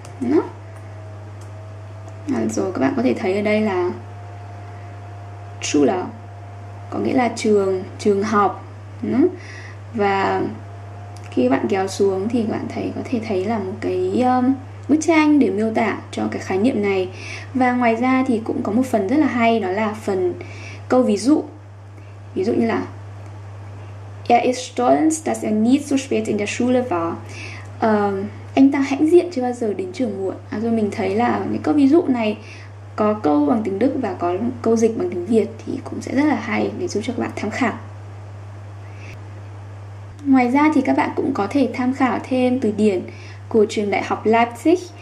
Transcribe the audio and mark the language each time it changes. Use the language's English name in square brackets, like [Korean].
[Vietnamese] Nó rồi các bạn có thể thấy ở đây là Schule có nghĩa là trường học. Và khi bạn kéo xuống thì các bạn thấy có thể thấy là một cái bức tranh để miêu tả cho cái khái niệm này. Và ngoài ra thì cũng có một phần rất là hay, đó là phần câu ví dụ. Ví dụ như là [German] ist stolz, dass nie zu spät in der Schule war. [Vietnamese] Anh ta hãnh diện chưa bao giờ đến trường muộn. À, rồi mình thấy là cái câu ví dụ này có câu bằng tiếng Đức và có câu dịch bằng tiếng Việt thì cũng sẽ rất là hay để giúp cho các bạn tham khảo. Ngoài ra thì các bạn cũng có thể tham khảo thêm từ điển của trường đại học Leipzig.